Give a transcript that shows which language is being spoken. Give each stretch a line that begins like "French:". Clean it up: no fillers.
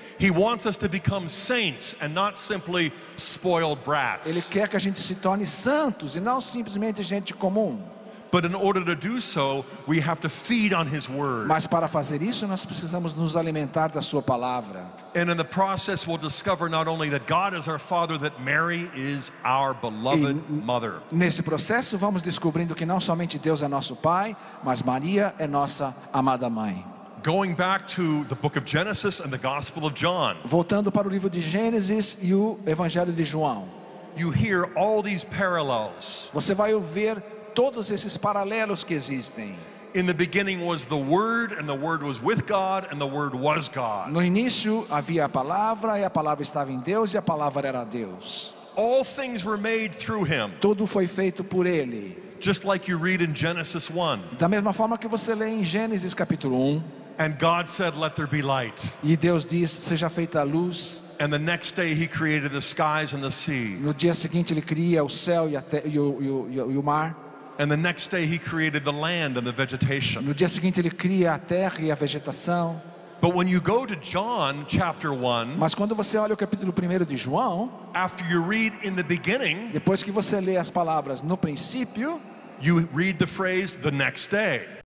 English: He wants us to become saints and not simply spoiled brats.
Portuguese: Ele quer que a gente se torne santos e não simplesmente gente comum.
English: But in order to do so, we have to feed on his word.
Portuguese: Mas para fazer isso, nós precisamos nos alimentar da sua palavra.
English: And in the process, we'll discover not only that God is our Father, that Mary is our beloved mother.
Portuguese: Nesse processo, vamos descobrindo que não somente Deus é nosso Pai, mas Maria é nossa amada mãe.
English: going back to the book of Genesis and the Gospel of John.
Portuguese: Voltando para o livro de Gênesis e o Evangelho de João.
English: You hear all these parallels.
Portuguese: Você vai ouvir todos esses paralelos que existem.
English: In the beginning was the Word, and the Word was with God, and the Word was God.
Portuguese: No início havia a palavra, e a palavra estava em Deus, e a palavra era Deus.
English: All things were made through Him.
Portuguese: Tudo foi feito por Ele.
English: Just like you read in Genesis 1.
Portuguese: Da mesma forma que você lê em Gênesis capítulo 1.
English: And God said, "Let there be light."
Portuguese: E Deus disse, seja feita a luz.
English: And the next day, He created the skies and the sea.
Portuguese: No dia seguinte, Ele cria o céu e o mar.
English: And the next day, He created the land and the vegetation.
Portuguese: No dia seguinte, Ele cria a terra e a vegetação.
English: But when you go to John chapter 1,
Portuguese: mas quando você olha o capítulo 1 de João,
English: after you read in the beginning,
Portuguese: depois que você lê as palavras no princípio,
English: you read the phrase the next day.